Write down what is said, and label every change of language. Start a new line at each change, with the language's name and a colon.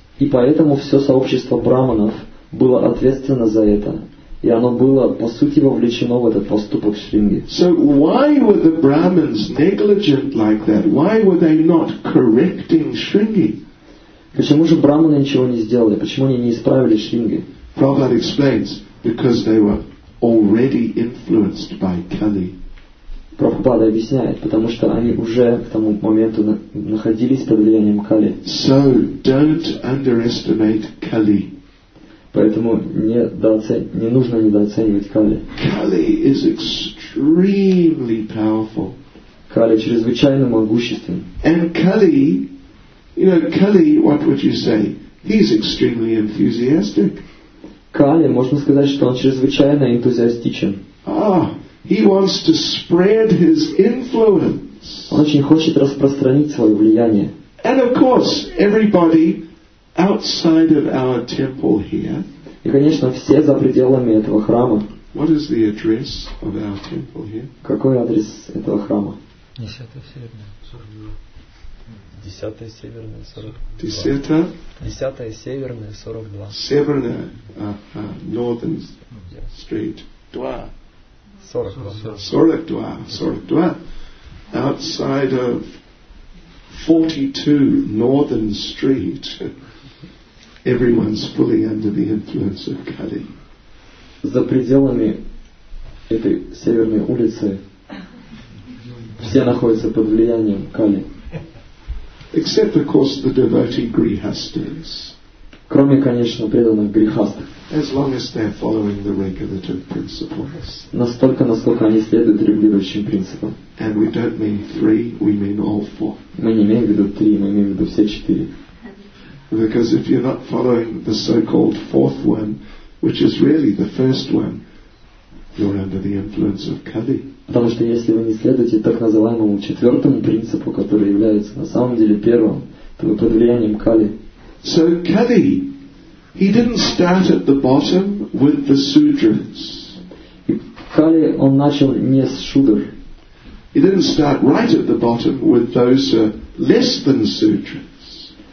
Russian: Поэтому все сообщество браманов было ответственно за это, и оно было по сути вовлечено в этот поступок Шринги.
English: So why were the Brahmins negligent like that? Why were they not correcting Shringi?
Russian: Почему же браманы ничего не сделали? Почему они не исправили Шринги?
English: Prabhupada explains, because they were already influenced by Kali.
Russian: Прабхупада объясняет, потому что они уже к тому моменту находились под влиянием Кали.
English: So don't underestimate Kali.
Russian: Поэтому не нужно недооценивать Кали.
English: Kali is extremely powerful.
Russian: Кали чрезвычайно могущественен.
English: And Kali, you know, Kali, what would you say? He's extremely enthusiastic.
Russian: Кали, можно сказать, что он чрезвычайно энтузиастичен.
English: He wants to spread his influence.
Russian: Он очень хочет распространить свое влияние.
English: And of course, everybody outside of our temple here.
Russian: И конечно, все за пределами этого храма.
English: What is the address of our temple here?
Russian: Какой адрес этого храма? 10-я северная, 42.
English: Северная, Northern Street, 2. 42. 42. Outside of 42 Northern Street, everyone's fully under the influence of Kali.
Russian: За пределами этой северной улицы все находятся под влиянием Кали.
English: Except, of course, the devotee grihasthas.
Russian: Кроме, конечно, преданных грихаст.
English: As long as they're following the regulative principles.
Russian: Настолько, насколько они следуют регулирующим принципам.
English: And we don't mean three, we mean all four.
Russian: Мы не имеем в виду три, мы имеем в виду все четыре.
English: Because if you're not following the so-called fourth one, which is really the first one, you're under the influence of Kali.
Russian: Потому что если вы не следуете так называемому четвертому принципу, который является на самом деле первым, то вы под влиянием Кали.
English: So Kali, he didn't start at the bottom with the sutras.
Russian: Kali, он начал не с шудр.
English: He didn't start right at the bottom with those less than sutras.